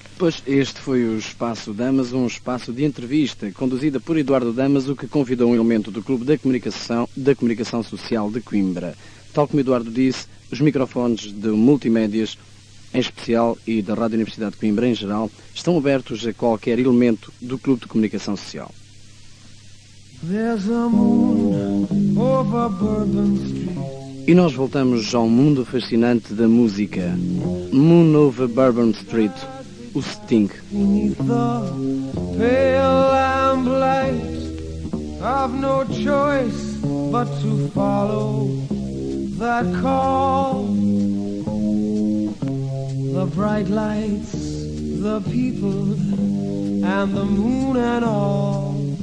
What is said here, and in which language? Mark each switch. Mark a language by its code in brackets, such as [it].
[pt] Pois, este foi o Espaço Damas, um espaço de entrevista, conduzida por Eduardo Damas, o que convidou um elemento do Clube da Comunicação Social de Coimbra. Tal como Eduardo disse, os microfones de Multimédias, em especial, e da Rádio Universidade de Coimbra, em geral, estão abertos a qualquer elemento do Clube de Comunicação Social. [en] There's a moon over Bourbon Street. [pt] E nós voltamos ao mundo fascinante da música. [en] Moon over Bourbon Street. O Sting. Beneath the pale lamplight, I've no choice but to follow that call. The bright lights, the people, and the moon and all.